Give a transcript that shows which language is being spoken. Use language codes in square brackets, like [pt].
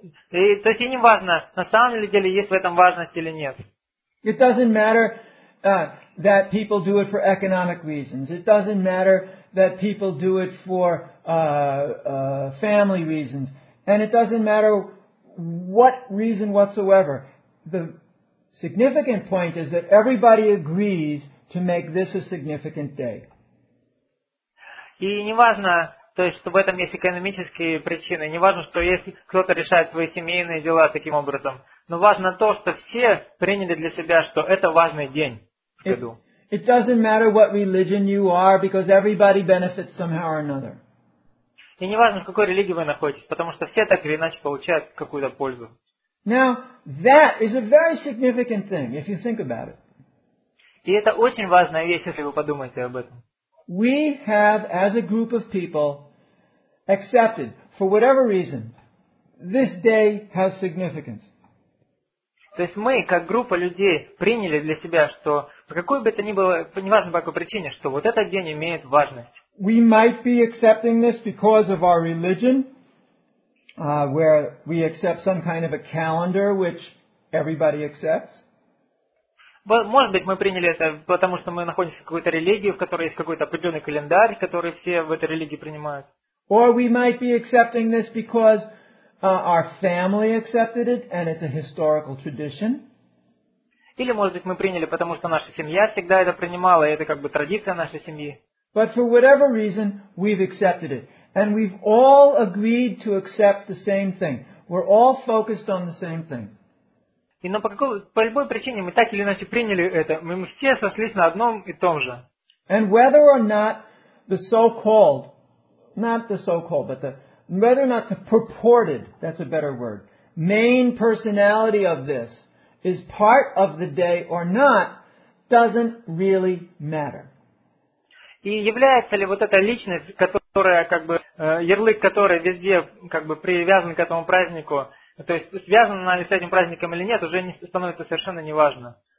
[ru] То есть и не важно, на самом деле есть в этом важность или нет. [en] It doesn't matter that people do it for economic reasons. It doesn't matter that people do it for family reasons. And it doesn't matter what reason whatsoever. The significant point is that everybody agrees to make this a significant day. [ru] И не важно, то есть, что в этом есть экономические причины, не важно, что если кто-то решает свои семейные дела таким образом, но важно то, что все приняли для себя, что это важный день в году. [en] It doesn't matter what religion you are, because everybody benefits somehow or another. [ru] И не важно, в какой религии вы находитесь, потому что все так или иначе получают какую-то пользу. [en] Now, that is a very significant thing, if you think about it. [ru] И это очень важная вещь, если вы подумаете об этом. [en] We have, as a group of people, accepted, for whatever reason, this day has significance. [ru] То есть мы, как группа людей, приняли для себя, что по какой бы то ни было, неважно по какой причине, что вот этот день имеет важность. [en] We might be accepting this because of our religion, where we accept some kind of a calendar, which everybody accepts. [ru] Может быть, мы приняли это, потому что мы находимся в какой-то религии, в которой есть какой-то определенный календарь, который все в этой религии принимают. [en] Or we might be accepting this because our family accepted it, and it's a historical tradition. [ru] Или, может быть, мы приняли, потому что наша семья всегда это принимала, и это как бы традиция нашей семьи. [en] But for whatever reason, we've accepted it. And we've all agreed to accept the same thing. We're all focused on the same thing. [ru] И, но по любой причине мы так или иначе приняли это. Мы все сошлись на одном и том же. [en] And whether or not the so-called, not the so-called, but the, whether or not the purported, that's a better word, main personality of this is part of the day or not, doesn't really matter. [ru] И является ли вот эта личность, которая как бы ярлык, который везде как бы привязан к этому празднику, то есть связана ли с этим праздником или нет, уже не становится совершенно неважно.